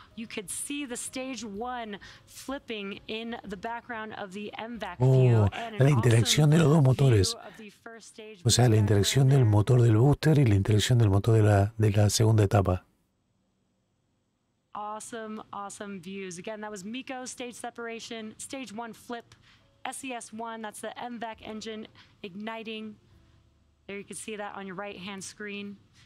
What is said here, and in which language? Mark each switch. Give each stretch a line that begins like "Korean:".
English: You could see the stage one flipping in the background of the MVAC view.
Spanish: La interacción de los dos motores. O sea, la interacción del motor del booster y la interacción del motor de la segunda etapa.
English: Awesome, awesome views. Again, that was Miko stage separation, stage one flip, SES1, that's the MVAC engine igniting. There you can see that on your right hand screen.